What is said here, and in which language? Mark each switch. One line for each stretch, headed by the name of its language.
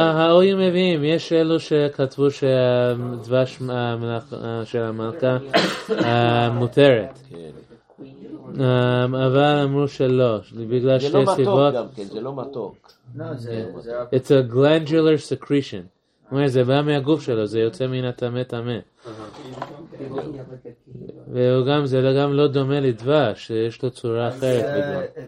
Hebrew: ההורים מביאים, יש אלו שכתבו שהדבש של המלכה מותרת. אבל אמרו שלא, בגלל שתי סיבות. זה לא מתוק,
English: it's a glandular secretion.
Hebrew: זה בא מהגוף שלו, זה יוצא מן הטמא טמא. והוא גם, זה גם לא דומה לדבש, יש לו צורה אחרת בגלל.